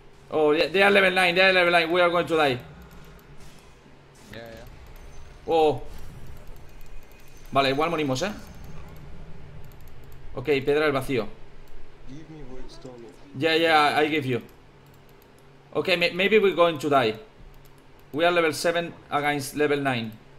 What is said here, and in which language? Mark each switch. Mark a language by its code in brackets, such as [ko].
[en] Oh, yeah, they are level 9, they are level 9, we are going to die. Yeah, yeah. Oh. [es] Vale, igual morimos, Ok, piedra del vacío. [en] Give me what it's done. Yeah, yeah, I give you. Ok, maybe we're going to die. We are level 7 against level 9.